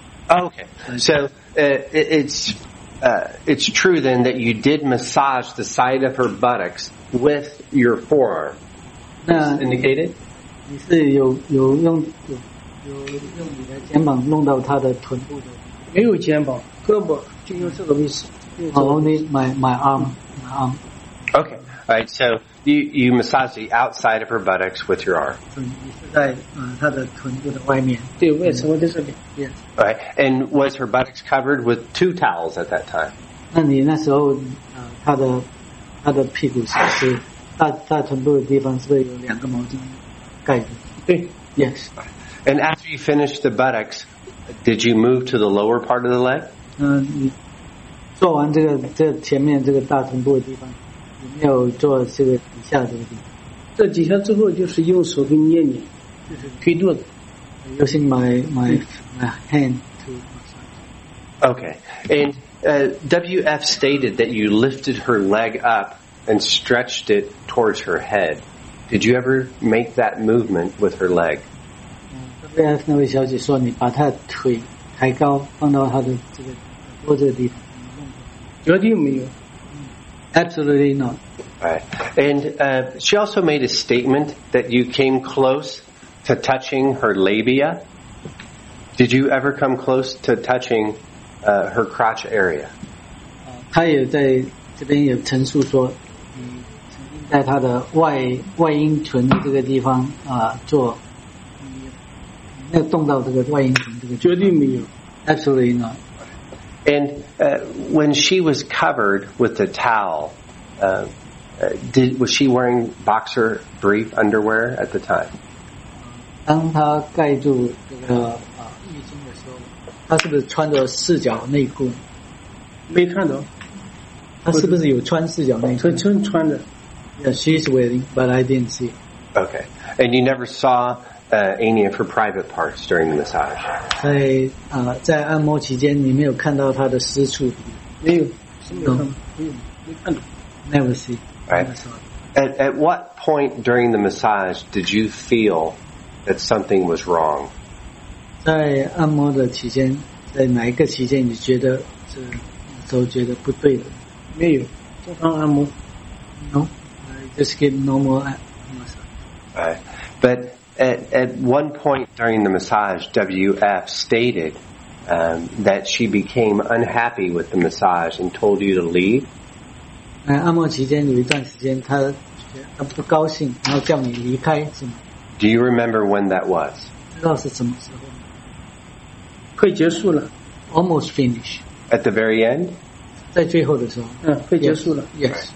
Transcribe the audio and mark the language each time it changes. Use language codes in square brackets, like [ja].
[en] Okay, so it's true then that you did massage the side of her buttocks with your forearm. Is indicated. [zh] 你是有用你的肩膀弄到她的臀部的？没有肩膀，胳膊就用这个位置。 [en] Only my arm. Okay. All right. So you massage the outside of her buttocks with your arm. [zh] 你是在她的臀部的外面。对，我也是，我在这边。 [en] Yes. All right. And was her buttocks covered with two towels at that time? [zh] 那你那时候她的屁股是大臀部的地方是不是有两个毛巾盖着？对。 [en] Yes. And after you finished the buttocks, did you move to the lower part of the leg? [zh] 做完这前面这个大臀部的地方，有没有做这个底下这个地方？这底下之后就是用手给捏捏，就是推肚子。 [en] Using my hand to massage. Okay, and WF stated that you lifted her leg up and stretched it towards her head. Did you ever make that movement with her leg? [zh] WF 那位小姐说你把她腿抬高放到她的这个脖子的地方。绝对没有 [en] ，absolutely not. Right, and she also made a statement that you came close to touching her labia. Did you ever come close to touching her crotch area? [zh] 她也在这边也陈述说，你曾经在她的外阴唇这个地方做，你有动到这个外阴唇这个地方？绝对没有 [en] ，absolutely not. And when she was covered with the towel, was she wearing boxer brief underwear at the time? [zh] 当她盖住这个浴巾的时候，她是不是穿着四角内裤？没看到。她是不是有穿四角内裤？穿的。 [en] Yeah, she's wearing, but I didn't see. Okay, and you never saw any of her private parts during the massage. [zh] 在按摩期间，你没有看到她的私处？没有，没看到。 [en] Never see. Right. At what point during the massage did you feel that something was wrong? [zh] 在按摩的期间，在哪一个期间你觉得是都觉得不对的？没有，正常按摩。 [en] No, I just get normal massage. Right, but. At one point during the massage, WF stated that she became unhappy with the massage and told you to leave. [zh] 按摩期间有一段时间，她不高兴，然后叫你离开，是吗？ [en] Do you remember when that was? Almost finished. At the very end? Yes.